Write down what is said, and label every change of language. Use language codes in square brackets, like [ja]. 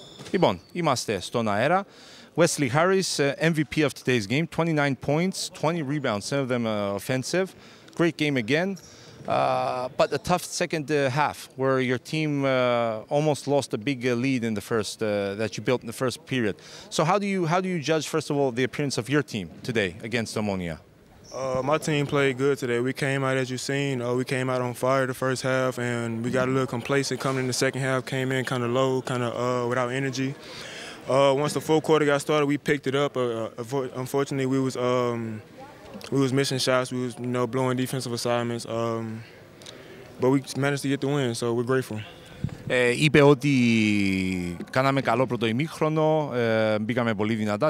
[el] Λοιπόν, είμαστε στον αέρα. [en] Wesley Harris, MVP of today's game, 29 points, 20 rebounds, some of them offensive. Great game again. But a tough second half where your team almost lost a big lead in the first that you built in the first period. So how do you judge, first of all, the appearance of your team today against Omonia? My team played good today. We came out, as you've seen, we came out on fire the first half, and we got a little complacent coming in the second half, came in kind of low, kind of without energy. Once the fourth quarter got started, we picked it up. Unfortunately, we was missing shots. We was, you know, blowing defensive assignments. But we managed to get the win, so we're grateful. [el] Είπε ότι κάναμε καλό πρώτο ημίχρονο, μπήκαμε πολύ δυνατά.